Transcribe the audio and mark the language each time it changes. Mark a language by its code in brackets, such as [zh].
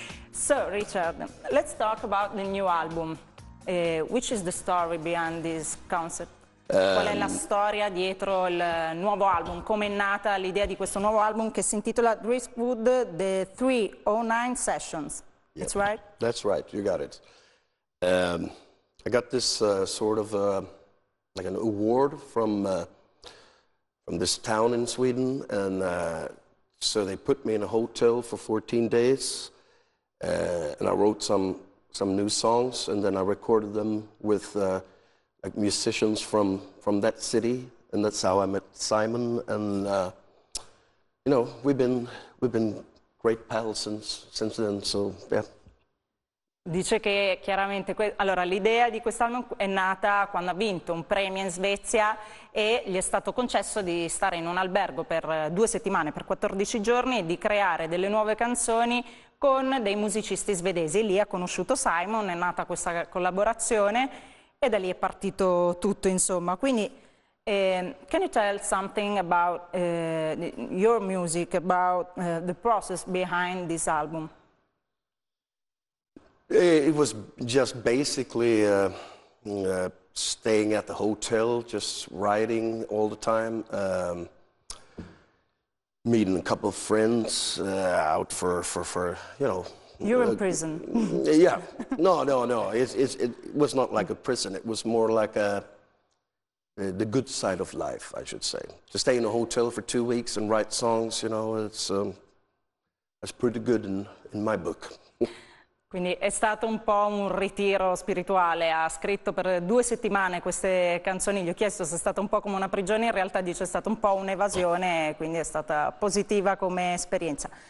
[en] So, Richard, let's talk about the new album. Which is the story behind this concept? [it] Qual è la storia dietro il nuovo album? Come è nata l'idea di questo nuovo album che si intitola Driftwood The 309 Sessions? [en] Yep. That's right? That's right, you got it. I got this like an award from this town in Sweden, and so they put me in a hotel for 14 days, and I wrote some new songs, and then I recorded them with like musicians from that city, and that's how I met Simon, and you know, we've been great pals since then, so yeah. [it] Dice che chiaramente, allora l'idea di quest'album è nata quando ha vinto un premio in Svezia e gli è stato concesso di stare in un albergo per due settimane, per 14 giorni e di creare delle nuove canzoni con dei musicisti svedesi. Lì ha conosciuto Simon, è nata questa collaborazione e da lì è partito tutto, insomma. [en] Quindi, can you tell something about your music, about the process behind this album? It was just basically staying at the hotel, just writing all the time, meeting a couple of friends out for you know. You're in prison. Yeah. No. It was not like a prison. It was more like the good side of life, I should say. To stay in a hotel for 2 weeks and write songs, you know, that's pretty good in my book. [it] Quindi è stato un po' un ritiro spirituale, ha scritto per due settimane queste canzoni, gli ho chiesto se è stato un po' come una prigione, in realtà dice è stato un po' un'evasione, quindi è stata positiva come esperienza.